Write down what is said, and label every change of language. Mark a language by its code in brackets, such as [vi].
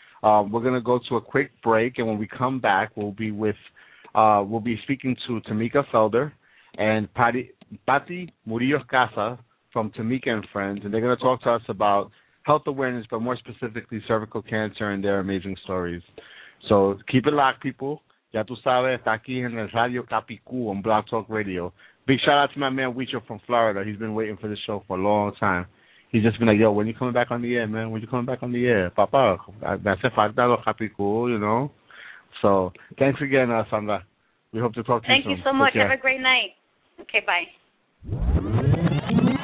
[en] We're going to go to a quick break, and when we come back, we'll be speaking to Tamika Felder and Patty Murillo Casa from Tamika and Friends, and they're going to talk to us about health awareness, but more specifically cervical cancer and their amazing stories. So keep it locked, people. [es] Ya tú sabes, está aquí en el Radio Capicú on Blog Talk Radio. [en] Big shout-out to my man Weecho from Florida. He's been waiting for this show for a long time. He's just been like, yo, when are you coming back on the air, man? When are you coming back on the air? [es] Papa, me hace falta lo capicú, [en] you know? So thanks again, Sandra. We hope to talk to you soon. Thank you so much. Have a great night. Okay, bye.